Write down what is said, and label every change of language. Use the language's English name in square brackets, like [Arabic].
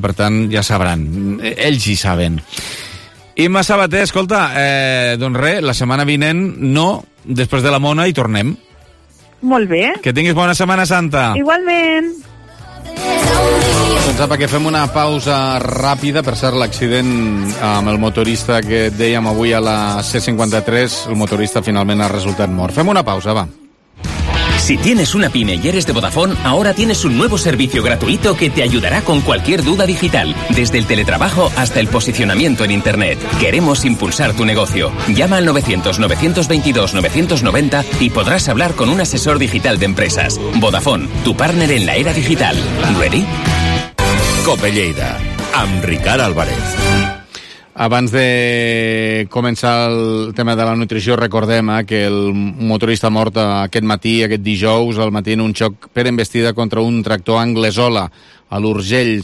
[Catalan] Per tant, ja sabran. Ells hi saben. Imma Sabater, escolta, doncs res, la setmana vinent, no, després de la Mona hi tornem. Molt bé. Que tinguis bona Setmana Santa. Igualment. Doncs apa, que fem una pausa ràpida. Per cert, l'accident amb el motorista que dèiem avui a la C-53, el motorista finalment ha resultat mort. Fem una pausa, va. [Spanish] Si tienes una pyme y eres de Vodafone, ahora tienes un nuevo servicio gratuito que te ayudará con cualquier duda digital, desde el teletrabajo hasta el posicionamiento en Internet. Queremos impulsar tu negocio. Llama al 900-922-990 y podrás hablar con un asesor digital de empresas. Vodafone, tu partner en la era digital. ¿Ready? [Catalan] Cope Lleida, amb Ricard Álvarez. Abans de començar el tema de la nutrició, recordem que el motorista mort aquest matí, aquest dijous, al matí, en un xoc per embestida contra un tractor Anglesola a l'Urgell.